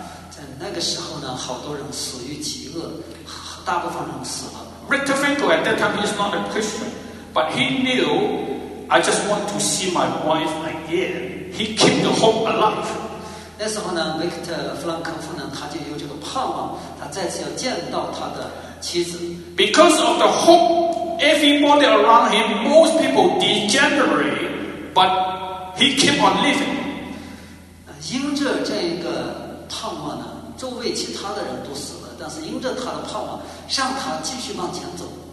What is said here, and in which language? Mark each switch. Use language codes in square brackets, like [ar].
[zh] 在那个时候呢，好多人死于饥饿，大部分人死了。 [en] Viktor Frankl at that time is not a Christian, but he knew, I just want to see my wife again. He kept the hope alive. [zh] 那时候呢 ，Viktor Frankl 呢，他就有这个盼望，他再次要见到他的。 [en] Because of the hope, everybody around him, most people degenerate, but he kept on living. [zh] 因着这个盼望呢，周围其他的人都死了，但是因着他的盼望，让他继续往前走。